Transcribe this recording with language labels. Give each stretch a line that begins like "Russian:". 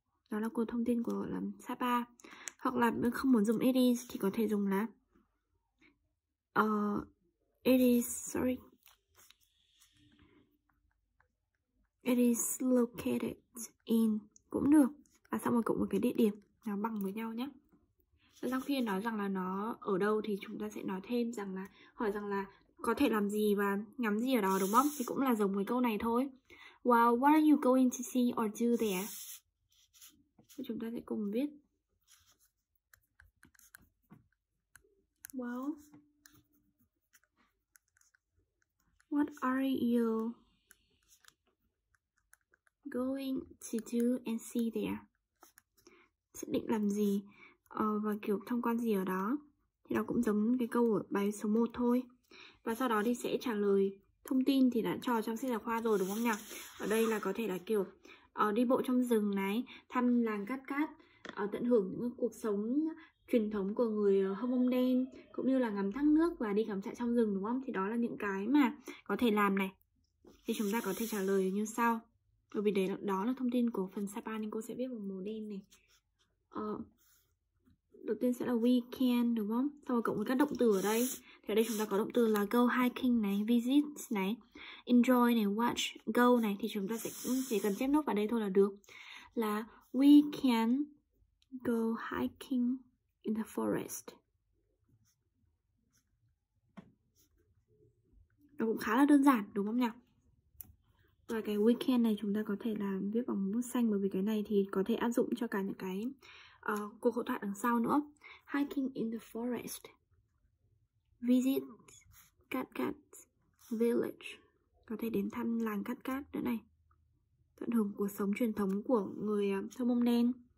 Vietnamese: Đó là cột thông tin của Sapa. Hoặc là không muốn dùng
English: it is
Vietnamese: thì có thể dùng là
English: it is located in
Vietnamese: cũng được. Và xong rồi cộng một cái địa điểm nó bằng với nhau nhé. Sau khi nói rằng là nó ở đâu thì chúng ta sẽ nói thêm rằng là hỏi rằng là có thể làm gì và ngắm gì ở đó đúng không? Thì cũng là giống với câu này thôi.
English: Well, what are you going to see or do there?
Vietnamese: Chúng ta sẽ cùng viết.
English: Well, what are you going to do and see there?
Vietnamese: Sẽ định làm gì? Và kiểu tham quan gì ở đó. Thì nó cũng giống cái câu ở bài số 1 thôi. Và sau đó thì sẽ trả lời thông tin thì đã cho trong sách giáo khoa rồi đúng không nhỉ? Ở đây là có thể là kiểu đi bộ trong rừng này, thăm làng Cát Cát, tận hưởng những cuộc sống truyền thống của người Hơ Mông Đen, cũng như là ngắm thác nước và đi cắm trại trong rừng đúng không? Thì đó là những cái mà có thể làm này. Thì chúng ta có thể trả lời như sau. Bởi vì đấy, đó là thông tin của phần Sapa nên cô sẽ viết bằng màu đen này. Đầu tiên sẽ là
English: we can
Vietnamese: đúng không? Sau đó cộng với các động từ ở đây. Thì ở đây chúng ta có động từ là go hiking này, visit này, enjoy này, watch, go này. Thì chúng ta sẽ chỉ cần chép nốt vào đây thôi là được.
English: Là we can go hiking in the forest.
Vietnamese: Nó cũng khá là đơn giản đúng không nhỉ? Và cái
English: we can
Vietnamese: này chúng ta có thể là viết bằng bút xanh. Bởi vì cái này thì có thể áp dụng cho cả những cái cuộc hội thoại đằng sau nữa.
English: Hiking in the forest, visit Cát Cát village,
Vietnamese: có thể đến thăm làng Cát Cát nữa này, tận hưởng cuộc sống truyền thống của người Hơ Mông Đen,